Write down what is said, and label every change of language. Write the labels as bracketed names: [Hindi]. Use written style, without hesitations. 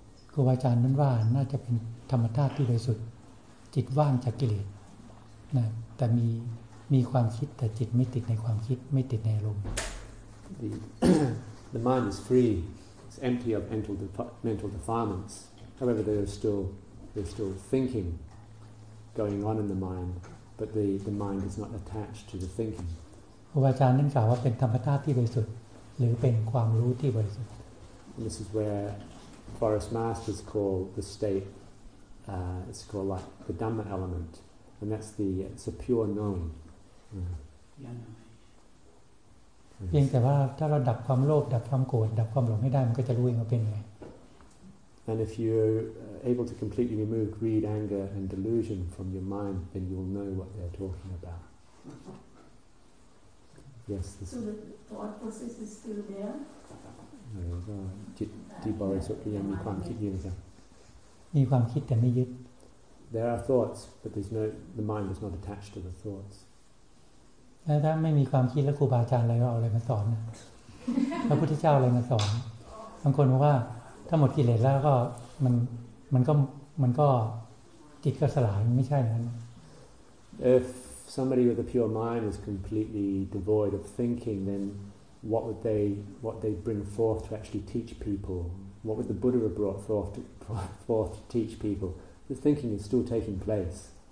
[Thai] ครูบาอาจารย์นั้นว่าน่าจะเป็นธรรมธาตุที่บริสุทธิ์จิตว่างจากกิเลสนะแต่มีความคิดแต่จิตไม่ติดในความคิดไม่ติดในอารมณ์ [English] the mind is free, it's empty of mental defilements, however there's still thinking going on in the mind, but the mind is not attached to the thinking. [Thai] ครูบาอาจารย์นั้นกล่าวว่าเป็นธรรมธาตุที่บริสุทธิ์หรือเป็นความรู้ที่บริสุทธิ์ [English] And this is where forest masters call the state, it's called like the Dhamma element, and that's it's a pure knowing. [Thai] เพียงแต่ว่าถ้าเราดับความโลภดับความโกรธดับความหลงให้ได้มันก็จะรู้เองว่าเป็นไง [English] And if you're able to completely remove greed, anger and delusion from your mind, then you'll know what they're talking about. Yes. So the thought process is still there? [Thai] จิตที่บริสุทธิ์ยังมีความคิดอยู่นะครับ มีความคิดแต่ไม่ยึด [English] There are thoughts but there's no the mind is not attached to the thoughts [Thai] แล้วถ้าไม่มีความคิดแล้วครูบาอาจารย์อะไรก็เอาอะไรมาสอนนะพระพุทธเจ้าอะไรมาสอนบางคนบอกว่าถ้าหมดกิเลสแล้วก็มันก็จิตก็สลายไม่ใช่นั้น [English] If somebody with a pure mind is completely devoid of thinking thenWhat they bring forth to actually teach people? What would the Buddha have brought forth to teach people? The thinking is still taking place.